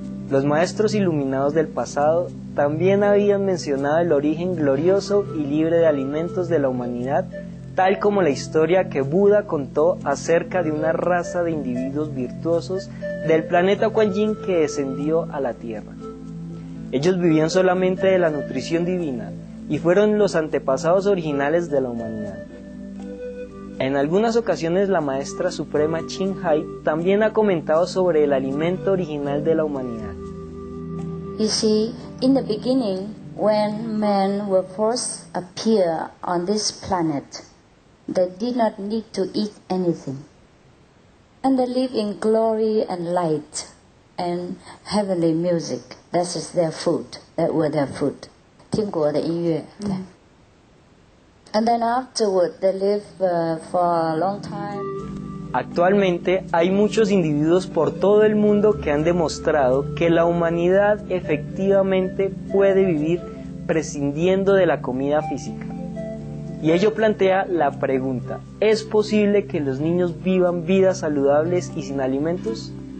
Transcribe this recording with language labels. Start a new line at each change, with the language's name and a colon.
Spanish: Los maestros iluminados del pasado también habían mencionado el origen glorioso y libre de alimentos de la humanidad, tal como la historia que Buda contó acerca de una raza de individuos virtuosos del planeta Kuan Yin que descendió a la Tierra. Ellos vivían solamente de la nutrición divina y fueron los antepasados originales de la humanidad. En algunas ocasiones la maestra suprema Ching Hai también ha comentado sobre el alimento original de la humanidad.
English: You see, in the beginning, when men were first appeared on this planet, they did not need to eat anything. And they live in glory and light and heavenly music. That is their food. That were their food.
Chinese: 天国的音乐.
English: And then afterward, they live for a long time.
Spanish: Actualmente hay muchos individuos por todo el mundo que han demostrado que la humanidad efectivamente puede vivir prescindiendo de la comida física. Y ello plantea la pregunta, ¿es posible que los niños vivan vidas saludables y sin alimentos?